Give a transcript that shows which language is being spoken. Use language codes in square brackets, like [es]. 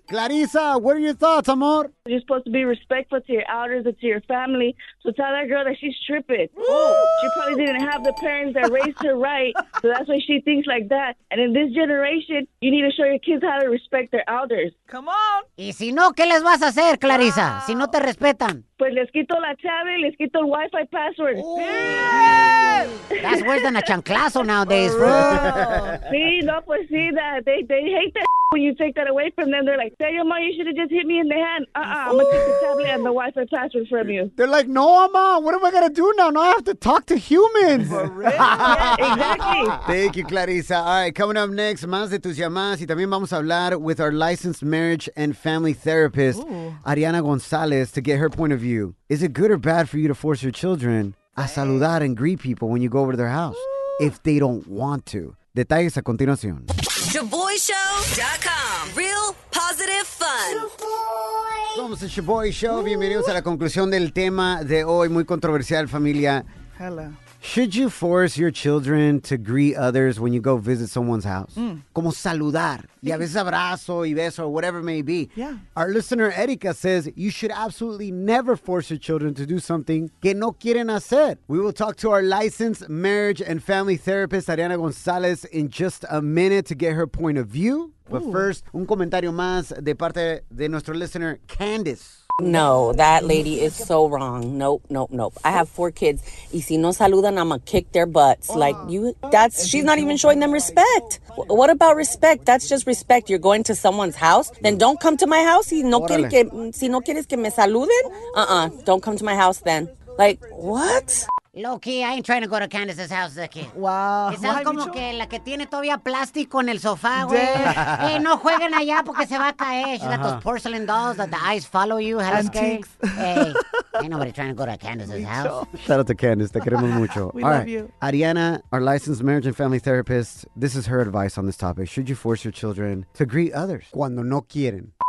[en] Clarissa, what are your thoughts, amor? You're supposed to be respectful to your elders and to your family. So tell that girl that she's tripping. Woo! She probably didn't have the parents that raised her right. So that's why she thinks like that. And in this generation, you need to show your kids how to respect their elders. Come on. [es] Y si no, ¿qué les vas a hacer, Clarissa? Wow. Si no te respetan. Pues les quito la chave, les quito el Wi-Fi password. [en] Yeah! That's worse than a chanclazo nowadays, bro. [es] Sí, no, pues sí, [en] they hate that when you take that away from them. They're like, tell your mom you should have just hit me in the hand. I'm going to take the tablet and the Wi-Fi password from you. They're like, no, mom, what am I going to do now? Now I have to talk to humans. For real? Yeah, exactly. Thank you, Clarissa. All right, coming up next, [es] más de tus llamadas. Y también vamos a hablar [en] with our licensed marriage and family therapist, Ariana Gonzalez, to get her point of view. Is it good or bad for you to force your children a saludar and greet people when you go over to their house if they don't want to? [es] Detalles a continuación. [en] ShaboyShow.com. Real positive fun. [es] Shaboy. Somos el Shaboy Show. Ooh. Bienvenidos a la conclusión del tema de hoy. Muy controversial, familia. [en] Hello. Should you force your children to greet others when you go visit someone's house? Mm. [es] Como saludar. Y a veces abrazo y beso, [en] or whatever it may be. Yeah. Our listener, Erika, says you should absolutely never force your children to do something [es] que no quieren hacer. [en] We will talk to our licensed marriage and family therapist, Ariana Gonzalez, in just a minute to get her point of view. Ooh. But first, [es] un comentario más de parte de nuestro listener, Candice. [en] No, that lady is so wrong. Nope, nope, nope. I have four kids. [es] Y si no saludan, [en] I'ma kick their butts. Like, she's not even showing them respect. What about respect? That's just respect. You're going to someone's house? Then don't come to my house. [es] Si no quieres que me saluden? [en] Don't come to my house then. Like, what? Low key, I ain't trying to go to Candace's house as a kid. Wow. [es] Esa es como que la que tiene todavía plástico en el sofá, güey. Hey, no jueguen allá porque se va a caer. [en] She got those porcelain dolls that the eyes follow you. Antiques. Antiques. Hey, ain't nobody trying to go to Candace's house. Shout out to Candace. [es] Te queremos mucho. [en] We love you. Ariana, our licensed marriage and family therapist, this is her advice on this topic. Should you force your children to greet others [es] cuando no quieren?